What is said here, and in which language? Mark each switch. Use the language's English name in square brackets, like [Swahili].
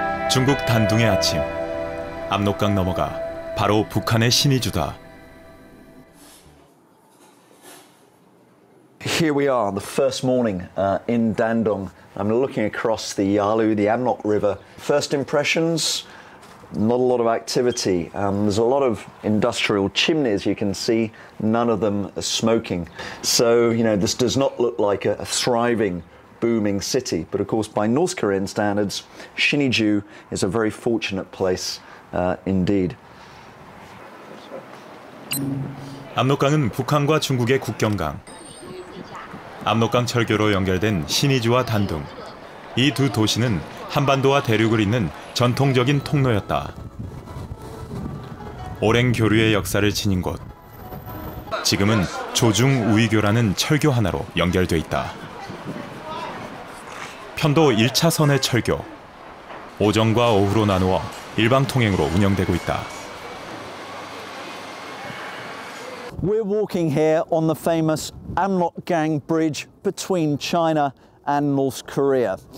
[Korean] 중국 단둥의 아침, 압록강 넘어가 바로 북한의 신의주다. [English] Here we are on the first morning in Dandong. I'm looking across the Yalu, the Amnok River. First impressions, not a lot of activity. There's a lot of industrial chimneys you can see, none of them are smoking. So, you know, this does not look like a thriving, booming city. But of course, by North Korean standards, Sinniju is a very fortunate place indeed. [Korean] 압록강은 북한과 중국의 국경강. 압록강 철교로 연결된 신의주와 단둥. 이 두 도시는 한반도와 대륙을 잇는 전통적인 통로였다. 오랜 교류의 역사를 지닌 곳. 지금은 조중 우이교라는 철교 하나로 연결돼 있다. 편도 1차선의 철교. 오전과 오후로 나누어 일방 통행으로 운영되고 있다. [English] We're walking here on the famous Amrokgang Bridge between China and North Korea.